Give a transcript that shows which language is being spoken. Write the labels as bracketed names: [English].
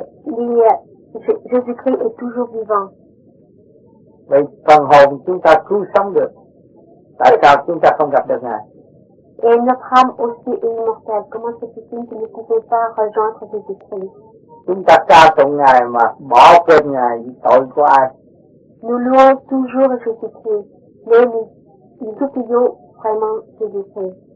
[French] Jésus-Christ est toujours vivant. [Vietnamese] Vậy phần hồn chúng ta cứu sống được. Tại sao chúng ta không gặp được Ngài? [French] Et notre âme aussi est immortelle. Comment se fait-il que nous ne pouvons pas rejoindre Jésus-Christ? [Vietnamese] Chúng ta ca tụng Ngài mà bỏ quên Ngài vì tội của ai? [French] Nous louons toujours Jésus-Christ, mais nous oublions vraiment Jésus-Christ.